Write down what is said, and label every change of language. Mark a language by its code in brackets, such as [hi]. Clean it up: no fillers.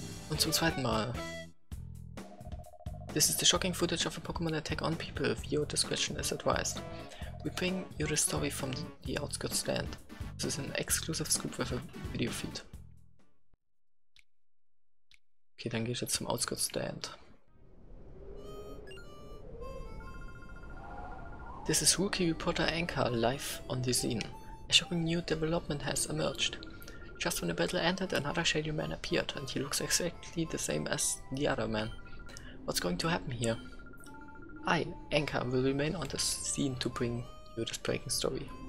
[de] Und zum zweiten Mal. [en] This is the shocking footage of a Pokémon attack on people. Your discretion is advised. We bring you the story from the outskirts land. This is an exclusive scoop with a video feed. [de] Okay, dann gehe ich jetzt zum outskirts land. [en] This is Rookie Reporter Anchor live on the scene. A shocking new development has emerged. Just when the battle ended, another shady man appeared, and he looks exactly the same as the other man. What's going to happen here? I, Anchor, will remain on the scene to bring you're just breaking story.